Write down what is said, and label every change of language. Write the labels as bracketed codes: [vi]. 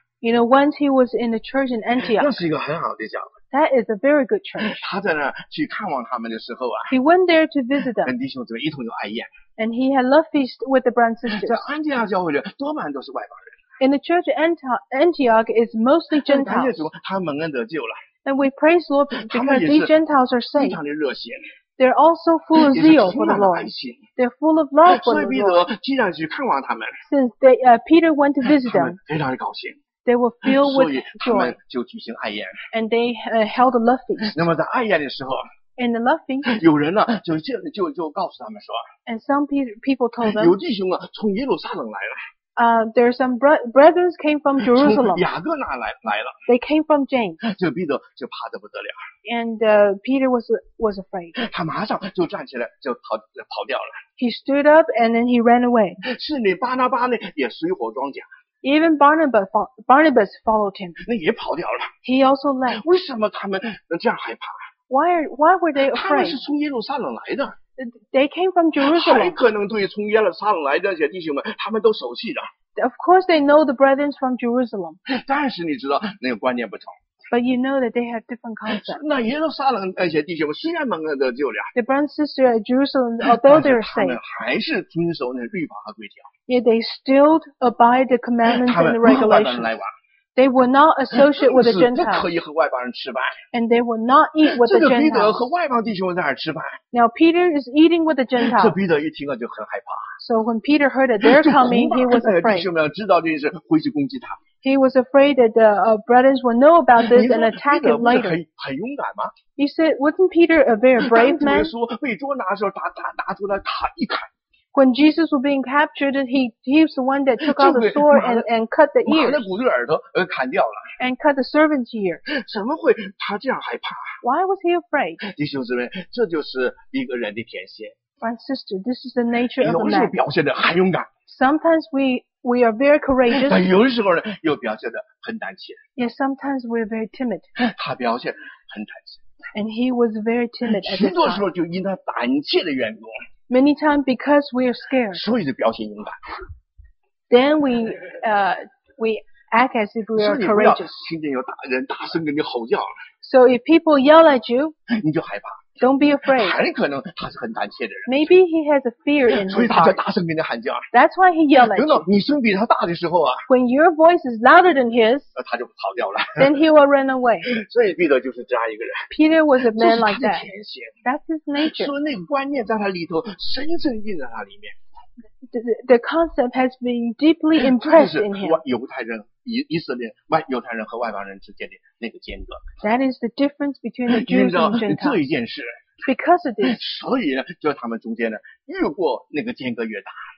[en] You know, once he was in the church in Antioch. [zh] 那是一个很好的教会。 [en] That is a very good church. [zh] 他在那去看望他们的时候啊。 [en] He went there to visit them. [zh] 跟弟兄姊妹一同有爱宴。 [en] And he had love feast with the brothers and sisters. [zh] 在安提亚教会里多半都是外邦人。 [en] In the church of Antioch is mostly Gentiles. [zh] 感谢主，他蒙恩得救了。 [en] And we praise Lord because these Gentiles are saved. [zh] 非常的热心。 [en] They're also full of zeal for the Lord. They're full of love for the Lord. [zh] 所以彼得既然去看望他们。 [en] Since Peter went to visit them. [zh] 他们非常的高兴。 [en] They were filled with joy. [zh] 所以他们就举行爱宴。 [en] And they held a love feast. [zh] 那么在爱宴的时候。 [en] In the love feast. [zh] 有人呢、啊、就告诉他们说。 [en] And some people told them. [zh] 有弟兄啊从耶路撒冷来了。 [en] There are some brethren came from Jerusalem. [zh] 从雅各那来了。 [en] They came from James. [zh] 这彼得就怕得不得了。 [en] And Peter was afraid. [zh] 他马上就站起来就跑掉了。 [en] He stood up and then he ran away. [zh] 是你巴拿巴呢也随伙装甲。 [en] Even Barnabas followed him. [zh] 那也跑掉了。 [en] He also left. [zh] 为什么他们这样害怕？ [en] Why were they afraid? [zh] 他们是从耶路撒冷来的。 [en] They came from Jerusalem. [zh] 还可能对从耶路撒冷来的这些弟兄们，他们都熟悉的。 [en] Of course, they know the brethren from Jerusalem. [zh] 但是你知道那个观念不同。 [en] But you know that they have different concepts. [zh] 那耶路撒冷那些弟兄虽然蒙了得救了。 [en] The brothers and sisters at Jerusalem, although they're saved. [zh] 但是他们还是遵守那律法和规条。 [en] Yet they still abide the commandments and the regulations. They will not associate with the Gentiles. [zh] 不可以和外邦人吃饭。 [en] And they will not eat with the Gentiles. [zh] 这个彼得和外邦弟兄在那儿吃饭。 [en] Now Peter is eating with the Gentiles. [zh] 这彼得一听啊就很害怕。 [en] So when Peter heard that they're coming, he was afraid. [zh] 这弟兄们要知道这件事，回去攻击他。 [en] He was afraid that the brothers would know about this and attack him later. [zh] 你说彼得不是很勇敢吗？ [en] He said, wasn't Peter a very brave man? [zh] 当主耶稣被捉拿的时候，拿出来砍一砍。 [en] When Jesus was being captured, he was the one that took out the sword and cut the ears. [zh] 马的骨头耳朵砍掉了。 [en] And cut the servant's ear. [zh] 怎么会他这样害怕？ [en] Why was he afraid? [zh] 弟兄姊妹，这就是一个人的天性。 [en] My sister, this is the nature of a man. [zh] 有时表现得很勇敢。 [en] Sometimes we are very courageous. [zh] 但有时候呢，又表现得很胆怯。 [en] Yes, sometimes we are very timid. [zh] 他表现很胆怯。 [en] And he was very timid. [zh] 许多时候就因他胆怯的缘故。 [en] Many times because we are scared. [zh] 所以就表现勇敢。 [en] Then we act as if we are courageous. [zh] 所以你不要听见有人大声跟你吼叫。 [en] So if people yell at you, [zh] 你就害怕。 [en] Don't be afraid. [zh] 很可能他是很胆怯的人。 [en] Maybe he has a fear in his heart. [zh] 所以他就大声跟你喊叫。 [en] That's why he yelled at you. [zh] 等等，你声比他大的时候啊。 [en] When your voice is louder than his, [zh] 他就跑掉了。 [en] Then he will run away. [zh] 所以彼得就是这样一个人。 [en] Peter was a man like that. [zh] 这是他的天性。 [en] That's his nature. [zh] 所以那个观念在他里头深深印在他里面。 [en] The concept has been deeply impressed in him. [zh] 犹太人以色列外犹太人和外邦人之间的那个间隔。 [en] That is the difference between the Jews and Gentiles. [zh] 这一件事。 [en] Because of this. [zh] 所以呢，就他们中间呢，越过那个间隔越大。